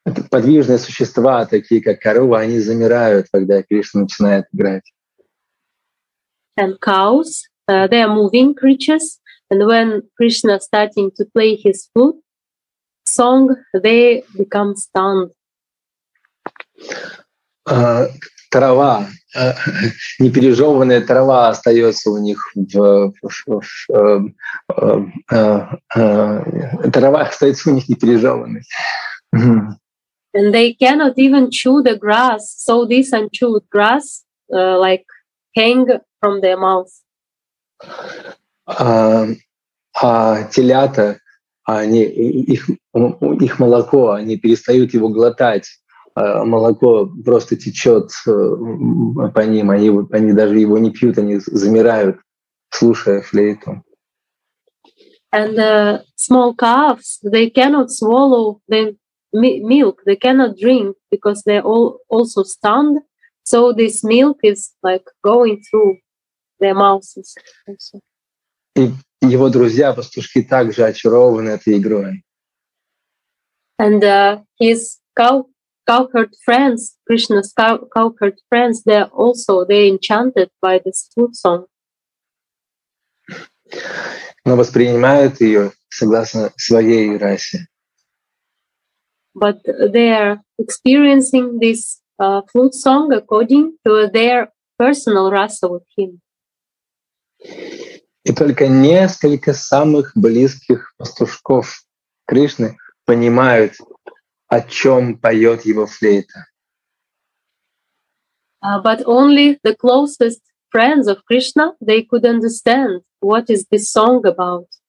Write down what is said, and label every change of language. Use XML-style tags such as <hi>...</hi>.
<ru>Подвижные существа, такие как коровы, они замирают, когда Кришна начинает играть.</ru> <en>And cows, they are moving creatures, and when Krishna starting to play his flute song, they become stunned.</en> <ru>Трава, непережеванная трава остается у них трава остается у них непережеванной.</ru> <en>And they cannot even chew the grass, so this unchewed grass like hang from their mouth.</en> <ru>Телята, они их молоко, они перестают его глотать. Молоко просто течет по ним, они даже его не пьют, они замирают, слушая флейту.</ru> <en>And small calves, they cannot swallow the milk, they cannot drink because they all also stunned. So this milk is like going through their mouths.</en> <ru>И его друзья пастушки также очарованы этой игрой.</ru> <en>And his cowherd friends, Krishna's cowherd friends, they're also they enchanted by this flute song.</en> <ru>Но воспринимают ее согласно своей расе.</ru> <en>But they are experiencing this flute song according to their personal rasa with him.</en> <ru>И только несколько самых близких пастушков Кришны понимают, о чем поет его флейта.</ru> <en>But only the closest friends of Krishna, they could understand what is this song about.</en>